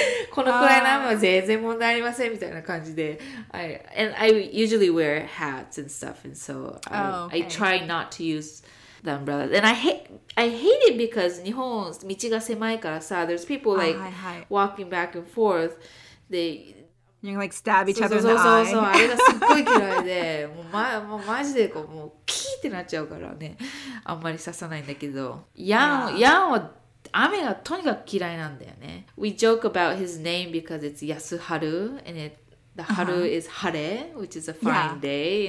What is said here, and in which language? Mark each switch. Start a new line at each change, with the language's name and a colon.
Japanese: このくらいの雨は全然問題ありませんみたいな感じで。
English: And I usually wear hats and stuff, and so I try not to use the umbrella. And I hate it because
Japanese: 日本道が狭いからさ、
English: there's people like walking back and forth. They... You can like stab each other in the eye.
Japanese: そうそうそう、あれがすっごい嫌いで、もうマジでこう、もうキーってなっちゃうからね。あんまり刺さないんだけど。ヤンは雨がとにかく嫌いなんだよね。
English: We joke about his name because it's Yasuharu, and the haru is hare, which is a fine day.